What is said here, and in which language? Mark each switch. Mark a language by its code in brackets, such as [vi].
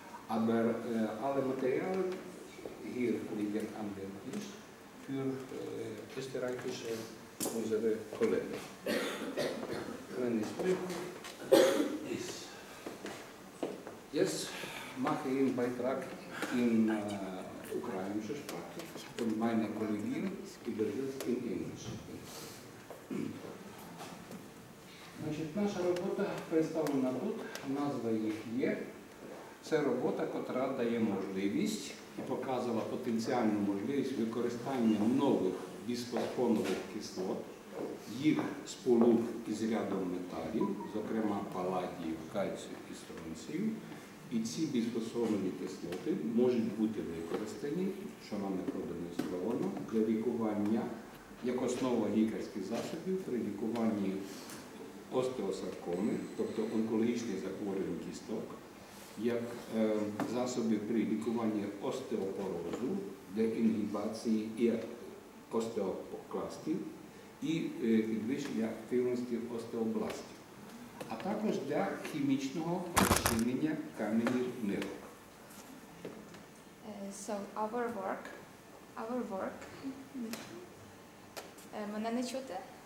[de] Aber alle Materialien hier liegen am Tisch für österreichische unsere Kollegen. Wenn es möglich ist. Jetzt mache ich einen Beitrag in ukrainischer Sprache und meine Kollegin übersetzt in Englisch. [uk] Значит, наша робота представлена тут, назва її є. Це робота, котра дає можливість і показувала потенціальну можливість використання нових бісфосфонових кислот, їх сполук із рядом металів, зокрема паладію, кальцію і стронцію. І ці бісфосфонові кислоти можуть бути використані, що нам не продемонстровано, для лікування, як основа лікарських засобів при лікуванні остеосаркоми, тобто онкологічні захворювання кісток, як засоби при лікуванні остеопорозу, для інгібації і остеопокластів, і підвищення активності остеобластів, а також для хімічного розчинення кам'яних нирок. [en] So our work, [uk] мене не чути?